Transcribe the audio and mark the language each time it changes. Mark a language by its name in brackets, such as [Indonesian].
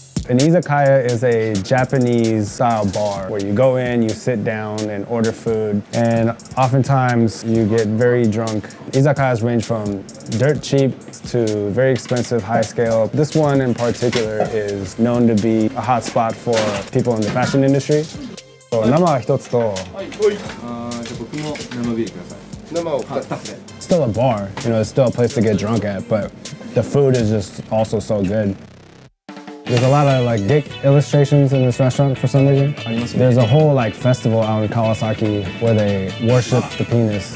[English] An izakaya is a Japanese style bar where you go in, you sit down and order food, and oftentimes you get very drunk. Izakayas range from dirt cheap to very expensive high scale. This one in particular is known to be a hot spot for people in the fashion industry. [Japanese] So, nama wa hitotsu to. Hai, oi. Ah, じゃあ僕も生ビールください。 Nama wo hitotsu. [English] It's still a bar, you know, it's still a place to get drunk at, but the food is just also so good. There's a lot of like dick illustrations in this restaurant for some reason. There's a whole like festival out in Kawasaki where they worship the penis.